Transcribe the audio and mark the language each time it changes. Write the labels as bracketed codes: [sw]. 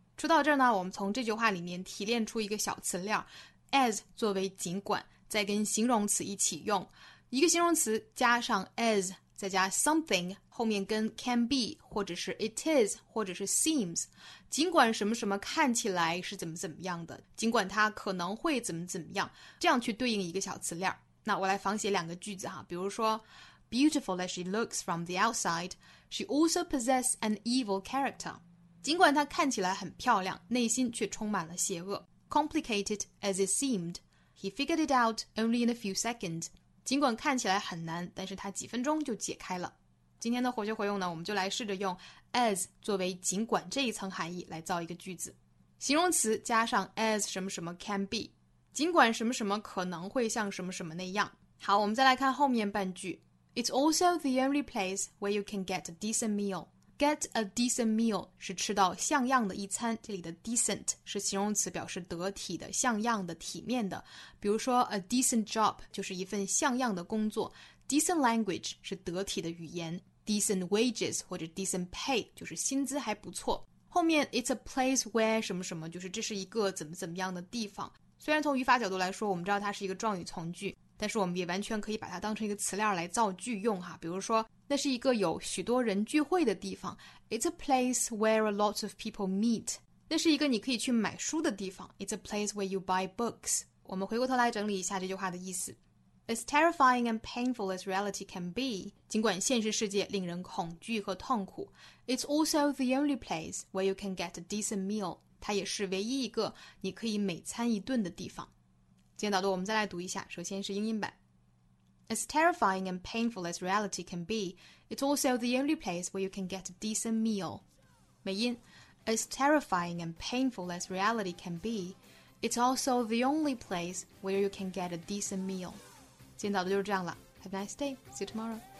[zh] 说到这儿呢，我们从这句话里面提炼出一个小词料 as 作为尽管，再跟形容词一起用，一个形容词加上 as 再加 something， 后面跟 can be 或者是 it is 或者是 seems， 尽管什么什么看起来是怎么怎么样的，尽管它可能会怎么怎么样，这样去对应一个小词料。那我来仿写两个句子哈，比如说 [en] Beautiful as she looks from the outside, she also possesses an evil character， [zh] 尽管她看起来很漂亮，内心却充满了邪恶。 [en] Complicated as it seemed, he figured it out only in a few seconds. [zh] 尽管看起来很难，但是他几分钟就解开了。今天的活学活用呢，我们就来试着用 as 作为尽管这一层含义来造一个句子。形容词加上 as 什么什么 can be， 尽管什么什么可能会像什么什么那样。好，我们再来看后面半句。 [en] It's also the only place where you can get a decent meal. Get a decent meal [zh] 是吃到像样的一餐，这里的 decent 是形容词，表示得体的、像样的、体面的。比如说 [en] a decent job [zh] 就是一份像样的工作， [en] decent language [zh] 是得体的语言， [en] decent wages [zh] 或者 [en] decent pay [zh] 就是薪资还不错。后面 [en] it's a place where [zh] 什么什么，就是这是一个怎么怎么样的地方。虽然从语法角度来说我们知道它是一个状语从句，但是我们也完全可以把它当成一个词料来造句用哈。比如说那是一个有许多人聚会的地方， [en] It's a place where a lot of people meet， [zh] 那是一个你可以去买书的地方， [en] It's a place where you buy books。 [zh] 我们回过头来整理一下这句话的意思， [en] As terrifying and painful as reality can be， [zh] 尽管现实世界令人恐惧和痛苦， [en] It's also the only place where you can get a decent meal， [zh] 它也是唯一一个你可以美餐一顿的地方。今天导读我们再来读一下，首先是英音版。 [en] As terrifying and painful as reality can be, it's also the only place where you can get a decent meal. [zh] 美音 [en] As terrifying and painful as reality can be, it's also the only place where you can get a decent meal. 今天导读就是这样了。Have a nice day. See you tomorrow.